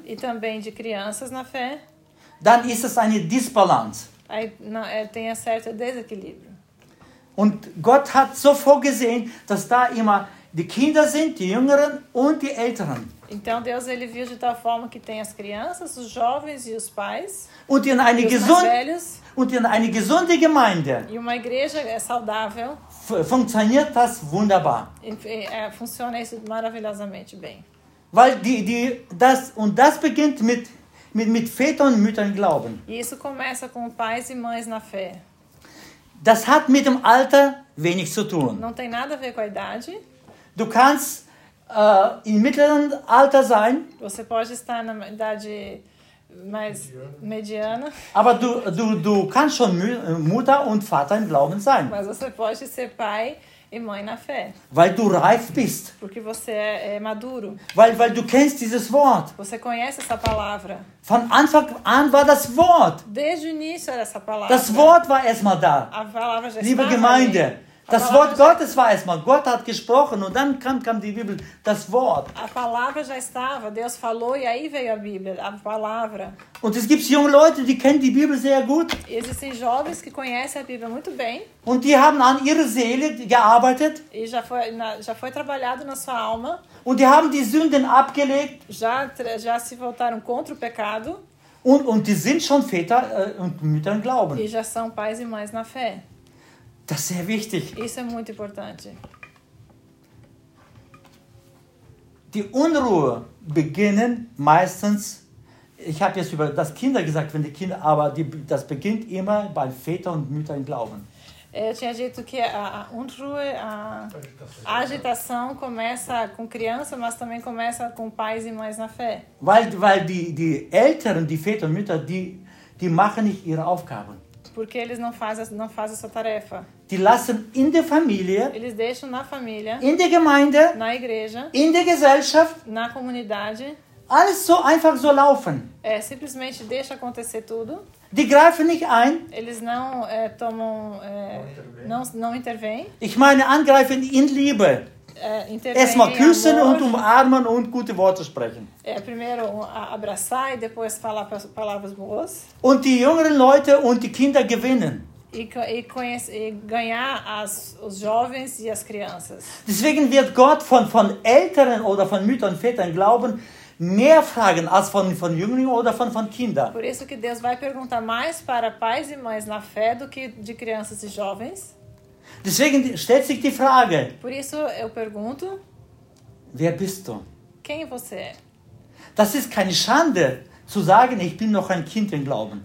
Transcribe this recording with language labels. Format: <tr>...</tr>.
<pt>e também de crianças na fé,</pt> <de>dann ist es eine Disbalance.</de> <pt>Aí, não, tem um certo desequilíbrio.</pt> <de>Und Gott hat so vorgesehen, dass da immer die Kinder sind, die Jüngeren und die Älteren.</de> <pt>Então Deus ele viu de tal forma que tem as crianças, os jovens e os pais.</pt> <de>Und in eine gesunde Gemeinde.</de> <pt>E uma igreja é saudável.</pt> <de>Funktioniert das wunderbar.</de> <pt>Funciona isso maravilhosamente bem.</pt> <de>Weil das beginnt mit Vätern und Müttern glauben.</de> <pt>E isso começa com pais e mães na fé.</pt> <de>Das hat mit dem Alter wenig zu tun.</de> <pt>Não tem nada a ver com a idade.</pt> <de>Du kannst im mittleren Alter sein.</de> <pt>Você pode estar na idade mais mediana.</pt> <de>Aber du kannst schon Mutter und Vater im Glauben sein.</de> <pt>Mas você pode ser pai e mãe na fé.</pt> <de>Weil du reif bist.</de> <pt>Porque você é maduro.</pt> <de>Weil du kennst dieses Wort.</de> <pt>Você conhece essa palavra.</pt> <de>Von Anfang an war das Wort.</de> <pt>Desde o início era essa palavra.</pt> <de>Das Wort war erstmal da.</de> <pt>A palavra já</pt> <de>Liebe Gemeinde. Ali. Das Wort Gottes war erstmal. Gott hat gesprochen und dann kam die Bibel, das Wort.</de> <pt>A palavra já estava, Deus falou e aí veio a Bíblia, a palavra.</pt> <de>Und es gibt junge Leute, die kennen die Bibel sehr gut.</de> <pt>Existem jovens que conhecem a Bíblia muito bem.</pt> <de>Und die haben an ihrer Seele gearbeitet.</de> <pt>E já foi trabalhado na sua alma.</pt> <de>Und die haben die Sünden abgelegt.</de> <pt>Já se voltaram contra o pecado.</pt> <de>Und die sind schon Väter und Mütter im Glauben.</de> <pt>E já são pais e mães na fé.</pt> <de>Das ist sehr wichtig.</de> <pt>Isso é muito importante.</pt> <de>Die Unruhe beginnen meistens, ich habe jetzt über das Kinder gesagt, wenn die Kinder, aber das beginnt immer bei Väter und Müttern im Glauben.</de> <pt>Eu tinha dito que a Unruhe, a agitação começa com criança, mas também começa com pais e mães na fé.</pt> <de>Weil die Eltern, die Väter und Mütter, die machen nicht ihre Aufgaben.</de> <pt>Porque eles não fazem essa tarefa.</pt> <de>Die lassen in der Familie,</de> <pt>eles deixam na família,</pt> <de>in der Gemeinde,</de> <pt>na igreja,</pt> <de>in der Gesellschaft,</de> <pt>na comunidade,</pt> <de>alles so einfach so laufen.</de> <pt>É, simplesmente deixa acontecer tudo.</pt> <de>Die greifen nicht ein.</de> <pt>Eles não tomam, não intervêm.</pt> <de>Ich meine, angreifen in Liebe. Erstmal küssen</de> <pt>amor.</pt> <de>Und umarmen und gute Worte sprechen.</de> <pt>Primeiro abraçar e depois falar palavras boas.</pt> <de>Und die jüngeren Leute und die Kinder gewinnen.</de> <pt>E ganhar os jovens e as crianças.</pt> <de>Deswegen wird Gott von Älteren oder von Müttern und Vätern glauben, mehr fragen als von Jüngeren oder von Kindern.</de> <pt>Por isso que Deus vai perguntar mais para pais e mães na fé do que de crianças e jovens.</pt> <de>Deswegen stellt sich die Frage.</de> <pt>Por isso eu pergunto.</pt> <de>Wer bist du?</de> <pt>Quem você é?</pt> <de>Das ist keine Schande zu sagen, ich bin noch ein Kind im Glauben.</de>